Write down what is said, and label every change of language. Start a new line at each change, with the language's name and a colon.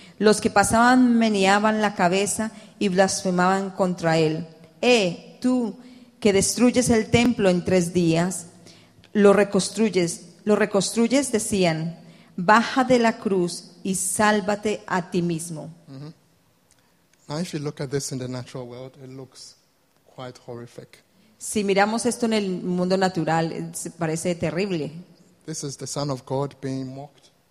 Spanish: Los que pasaban meneaban la cabeza y blasfemaban contra él. Tú que destruyes el templo en 3 días, lo reconstruyes, decían, baja de la cruz y sálvate a ti mismo. Mm-hmm.
English: Now, if you look at this in the natural world, it looks quite horrific.
Spanish: Si miramos esto en el mundo natural, parece terrible.
English: This is the Son of God being mocked.